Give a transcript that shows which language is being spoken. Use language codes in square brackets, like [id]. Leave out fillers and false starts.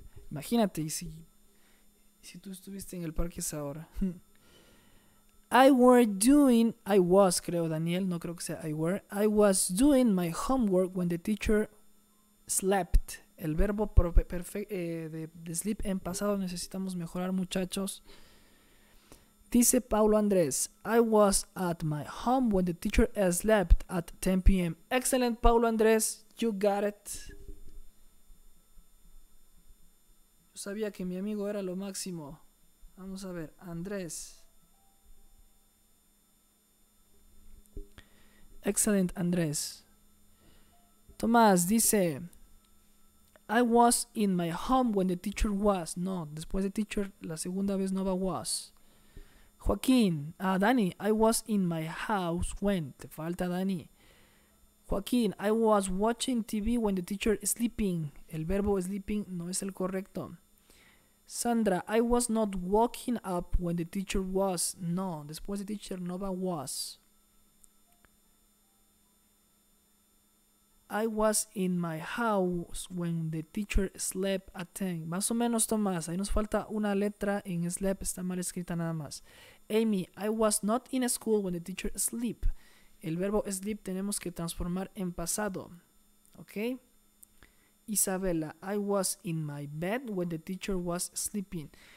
[es] Imagínate y si tú estuviste en el parque es ahora. [en] I was doing my homework when the teacher slept. [es] El verbo de sleep en pasado necesitamos mejorar, muchachos. Dice [en] Paulo Andrés, I was at my home when the teacher slept at 10 p.m. Excellent, Paulo Andrés, you got it. [es] Yo sabía que mi amigo era lo máximo. Vamos a ver, Andrés. [en] Excellent, Andrés. Tomás [es] dice, [en] I was in my home when the teacher was. [es] No, después de teacher, la segunda vez no va was. [en] Joaquín, Dani, I was in my house when, [es] te falta [en] Dani. Joaquín, I was watching TV when the teacher is sleeping. [es] El verbo sleeping no es el correcto. [en] Sandra, I was not waking up when the teacher was. [es] No, después de teacher Nova was. [en] I was in my house when the teacher slept at 10. [es] Más o menos, [en] Tomás. [es] Ahí nos falta una letra en slept. Está mal escrita nada más. [en] Amy, I was not in school when the teacher slept. [es] El verbo sleep tenemos que transformar en pasado. ¿Ok? [en] Isabela, I was in my bed when the teacher was sleeping.